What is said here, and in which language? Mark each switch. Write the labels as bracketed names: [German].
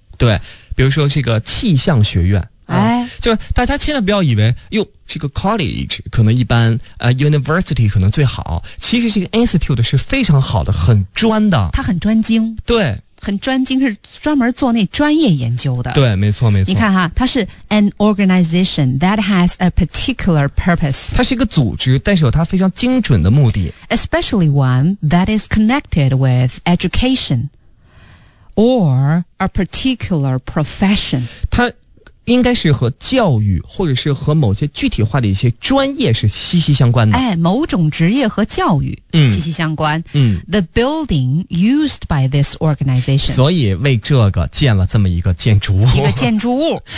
[Chinese] 对，比如说这个气象学院。哎，就是大家千万不要以为哟，这个 college 可能一般，university 可能最好，其实这个 institute 是非常好的，很专的，它很专精。对，很专精，是专门做那专业研究的。对，没错没错。你看哈，它是 [English] an organization that has a particular purpose， [Chinese] 它是一个组织，但是有它非常精准的目的。 [English] especially one that is connected with education or a particular profession， [Chinese] 它应该是和教育或者是和某些具体化的一些专业是息息相关的。哎，某种职业和教育息息相关。 [English] The building used by this organization， [Chinese] 所以为这个建了这么一个建筑物，一个建筑物。